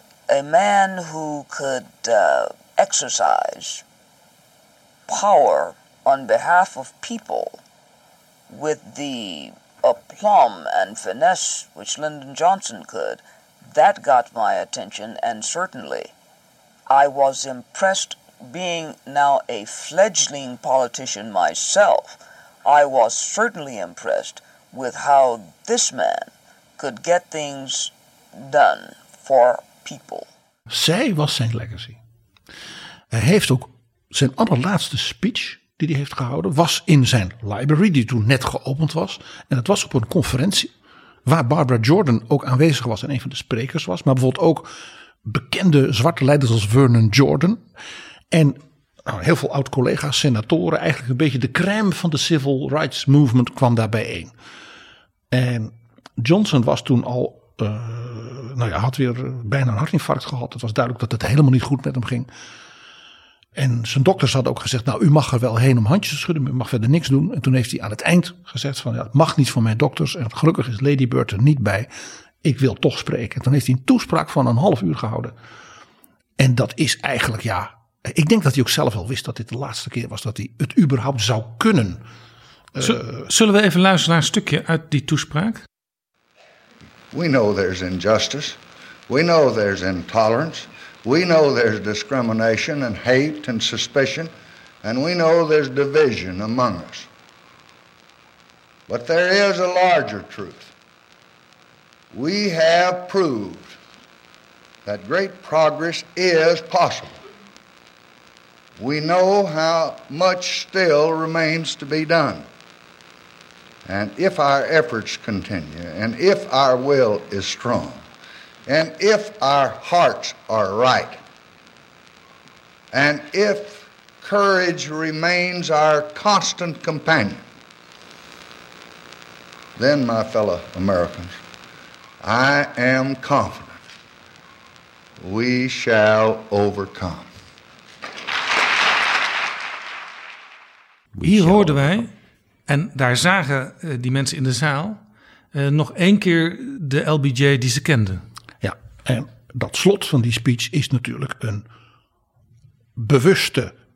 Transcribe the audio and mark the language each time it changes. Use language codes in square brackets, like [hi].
[en] A man who could exercise power on behalf of people with the aplomb and finesse which Lyndon Johnson could, that got my attention, and certainly I was impressed. Being now a fledgling politician myself, I was certainly impressed with how this man could get things done for people. [nl] Zij was zijn legacy. Hij heeft ook zijn allerlaatste speech die hij heeft gehouden, was in zijn library die toen net geopend was. En het was op een conferentie waar Barbara Jordan ook aanwezig was en een van de sprekers was. Maar bijvoorbeeld ook bekende zwarte leiders als Vernon Jordan. En nou, heel veel oud-collega's, senatoren, eigenlijk een beetje de crème van de civil rights movement kwam daar bijeen. En Johnson was toen al, nou ja, had weer bijna een hartinfarct gehad. Het was duidelijk dat het helemaal niet goed met hem ging. En zijn dokters hadden ook gezegd, nou, u mag er wel heen om handjes te schudden, maar u mag verder niks doen. En toen heeft hij aan het eind gezegd van, ja, het mag niet voor mijn dokters. En gelukkig is Lady Bird er niet bij. Ik wil toch spreken. En toen heeft hij een toespraak van een half uur gehouden. En dat is eigenlijk, ja, ik denk dat hij ook zelf wel wist dat dit de laatste keer was dat hij het überhaupt zou kunnen. Zullen we even luisteren naar een stukje uit die toespraak? [en] We know there's injustice. We know there's intolerance. We know there's discrimination and hate and suspicion. And we know there's division among us. But there is a larger truth. We have proved that great progress is possible. We know how much still remains to be done. And if our efforts continue, and if our will is strong, and if our hearts are right, and if courage remains our constant companion, then, my fellow Americans, I am confident we shall overcome. [nl] Hier hoorden wij, en daar zagen die mensen in de zaal, nog één keer de LBJ die ze kenden. Ja, en dat slot van die speech is natuurlijk een bewuste